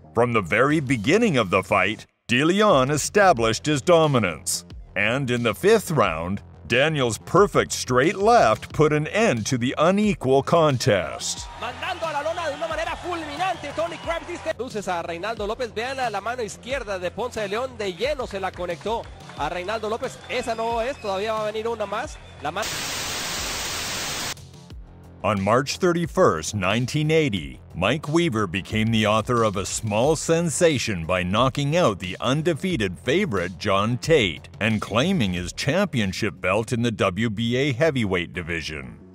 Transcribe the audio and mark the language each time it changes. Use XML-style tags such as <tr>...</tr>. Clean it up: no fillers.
<en>From the very beginning of the fight, De Leon established his dominance. And in the fifth round, Daniel's perfect straight left put an end to the unequal contest.</en> <es>Mandando a la lona de una manera fulminante, Tony Kraft dice. Luces a Reinaldo López, vean a la mano izquierda de Ponce de León, de lleno se la conectó a Reinaldo López. Esa no es, todavía va a venir una más. La mano.</es> <en>On March 31, 1980, Mike Weaver became the author of a small sensation by knocking out the undefeated favorite John Tate and claiming his championship belt in the WBA heavyweight division.</en>